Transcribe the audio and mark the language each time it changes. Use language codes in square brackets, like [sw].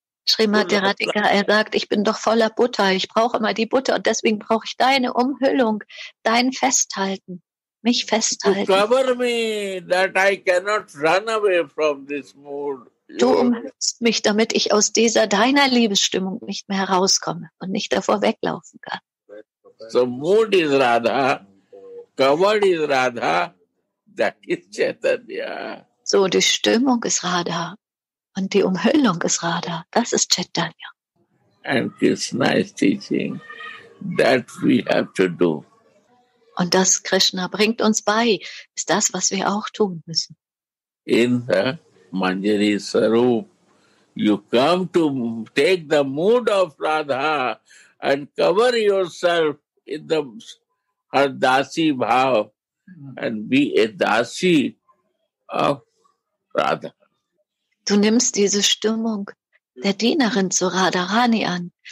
[de] Srimati Radhika, er sagt, ich bin doch voller Butter, ich brauche immer die Butter und deswegen brauche ich deine Umhüllung, dein Festhalten, mich festhalten. [en] To cover me, that I cannot run away from this mood. [de] Du umhüllst mich, damit ich aus dieser deiner Liebesstimmung nicht mehr herauskomme und nicht davor weglaufen kann. [en] So mood is Radha, covered is Radha. That is Chaitanya. [de] So, die Stimmung ist Radha und die Umhüllung ist Radha. Das ist Chaitanya. [en] And Krishna is teaching that we have to do. [de] Und das Krishna bringt uns bei, ist das, was wir auch tun müssen. [en] In the Manjari Swarup, you come to take the mood of Radha and cover yourself in the Hardasi Bhav. And be a Dasi of Radha. [de] Du nimmst diese Stimmung der Dienerin zu Radharani an.